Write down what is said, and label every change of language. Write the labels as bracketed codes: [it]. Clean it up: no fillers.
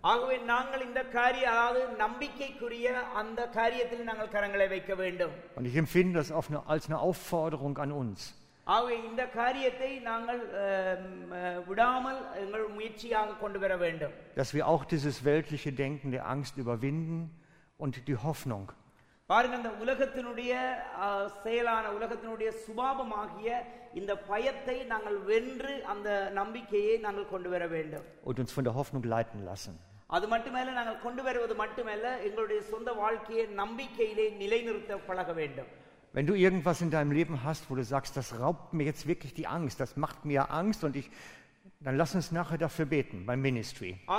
[de] Und ich empfinde das als eine Aufforderung an uns. Dass wir auch dieses weltliche Denken der Angst überwinden und die Hoffnung. [ta] பாருங்க இந்த உலகத்தினுடைய செயலான உலகத்தினுடைய சுபாவமாகிய இந்த பயத்தை நாங்கள் வென்று அந்த நம்பிக்கையை நாங்கள் கொண்டு வர வேண்டும் [de] Und uns von der Hoffnung leiten lassen. [ta] அது மட்டுமல்ல நாங்கள் கொண்டு வருவது மட்டுமல்ல எங்களுடைய சொந்த வாழ்க்கையை நம்பிக்கையிலே நிலைநிறுத்த பழக வேண்டும் [de] Wenn du irgendwas in deinem Leben hast, wo du sagst, das raubt mir jetzt wirklich die Angst, das macht mir Angst und ich Dann lass uns nachher dafür beten beim Ministry.